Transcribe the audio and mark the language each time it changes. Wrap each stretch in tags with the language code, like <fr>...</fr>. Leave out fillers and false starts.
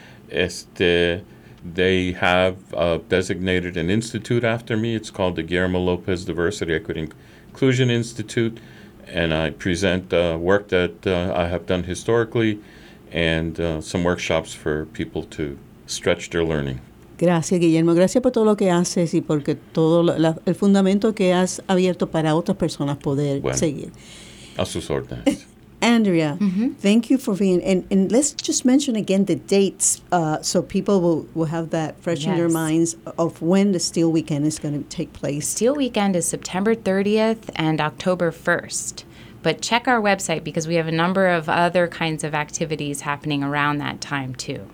<en>Este, they have designated an institute after me. It's called the Guillermo Lopez Diversity, Equity, and Inclusion Institute. And I present work that I have done historically and some workshops for people to stretch their learning.</en> <es>Gracias, Guillermo. Gracias por todo lo que haces y porque todo el fundamento que has abierto para otras personas poder seguir. A sus órdenes.</es> <en>Andrea, thank you for being, and let's just mention again the dates so people will have that fresh in their minds of when the Steel Weekend is going to take place. Steel Weekend is September 30th and October 1st. But check our website because we have a number of other kinds of activities happening around that time, too.</en>